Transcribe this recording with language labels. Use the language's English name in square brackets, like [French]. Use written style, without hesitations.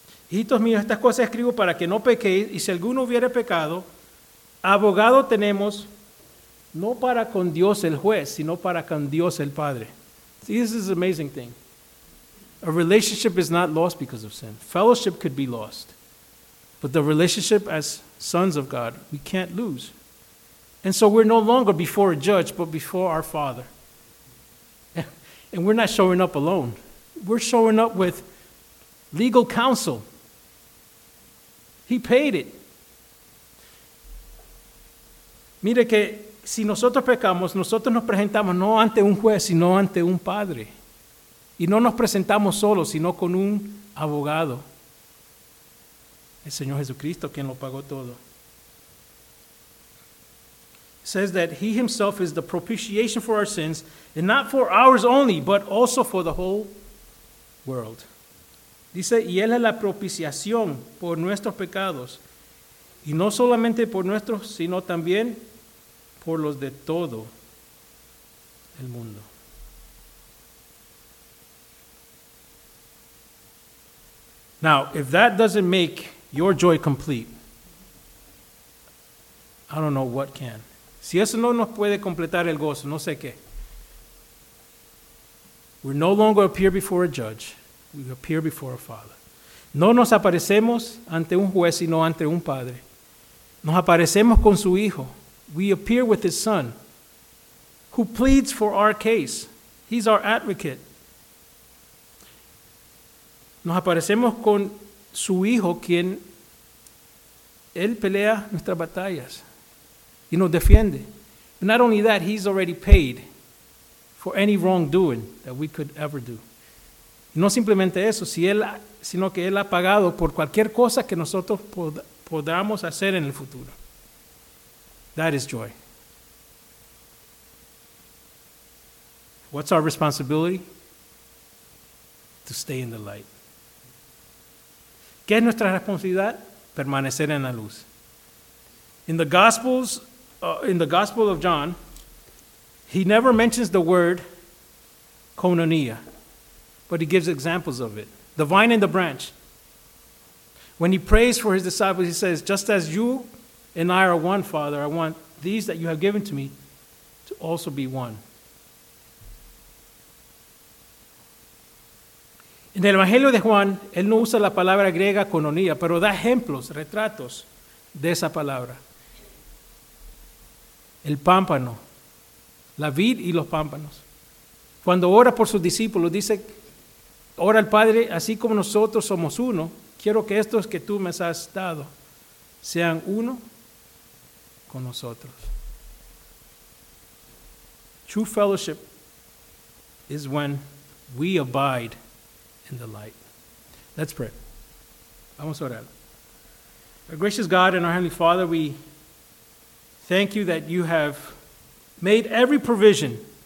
[Spanish] "Hijitos míos, estas cosas escribo para que no pequéis, y si alguno hubiere pecado, abogado tenemos, no para con Dios el juez, sino para con Dios el Padre." [English] See, this is an amazing thing. A relationship is not lost because of sin. Fellowship could be lost. But the relationship as sons of God, we can't lose. And so we're no longer before a judge, but before our Father. And we're not showing up alone. We're showing up with legal counsel. He paid it. [Spanish] Mire que si nosotros pecamos, nosotros nos presentamos no ante un juez, sino ante un padre. Y no nos presentamos solos, sino con un abogado. El Señor Jesucristo, quien lo pagó todo. [English] It says that he himself is the propitiation for our sins, and not for ours only, but also for the whole world. [Spanish] Dice, y él es la propiciación por nuestros pecados, y no solamente por nuestros, sino también por los de todo el mundo. [English] Now, if that doesn't make your joy complete, I don't know what can. [Spanish] Si eso no nos puede completar el gozo, no sé qué. [English] We no longer appear before a judge. We appear before a Father. [Spanish] No nos aparecemos ante un juez, sino ante un padre. Nos aparecemos con su hijo. [English] We appear with his son, who pleads for our case. He's our advocate. [Spanish] Nos aparecemos con su hijo, quien Él pelea nuestras batallas y nos defiende. [English] But not only that, he's already paid for any wrongdoing that we could ever do. [Spanish] No simplemente eso, sino que Él ha pagado por cualquier cosa que nosotros podamos hacer en el futuro. [English] That is joy. What's our responsibility? To stay in the light. [Spanish] ¿Qué es nuestra responsabilidad? Permanecer en la luz. [English] In the Gospel of John, he never mentions the word koinonia, but he gives examples of it. The vine and the branch. When he prays for his disciples, he says, just as you and I are one, Father, I want these that you have given to me to also be one. [Spanish] En el Evangelio de Juan, él no usa la palabra griega koinonia, pero da ejemplos, retratos de esa palabra. El pámpano, la vid y los pámpanos. Cuando ora por sus discípulos, dice, ora al Padre, así como nosotros somos uno, quiero que estos que tú me has dado sean uno con nosotros. [English] True fellowship is when we abide in the light. Let's pray. [Spanish] Vamos a orar. [English] Our gracious God and our Heavenly Father, we thank you that you have made every provision.